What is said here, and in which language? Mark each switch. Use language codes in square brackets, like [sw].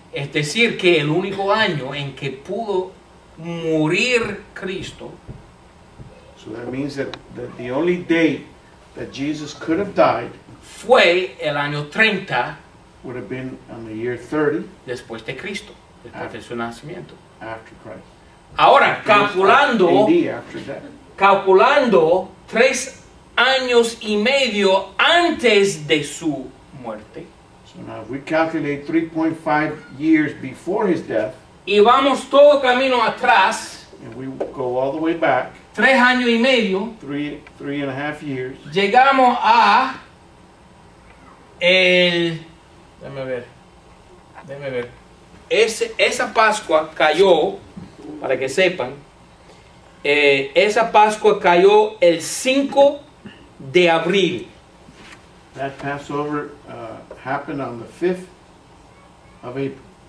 [es] Es decir, que el único año en que pudo morir Cristo. [en] So that means that the only day that Jesus could have died [es] fue el año 30. [en] Would have been on the year 30. [es] Después de Cristo. Después after, de su nacimiento. [en] After Christ. [es] Ahora, calculando. [en] AD, after that. [es] Calculando 3 años y medio antes de su muerte. [en] Now, if we calculate 3.5 years before his death, [es] y vamos todo camino atrás, [en] and we go all the way back, [es] 3 años y medio, [en] three and a half years, [es] llegamos a el, déjame ver, esa Pascua cayó, para que sepan, esa Pascua cayó el 5 de abril. [en] That Passover happened on the 5th of April.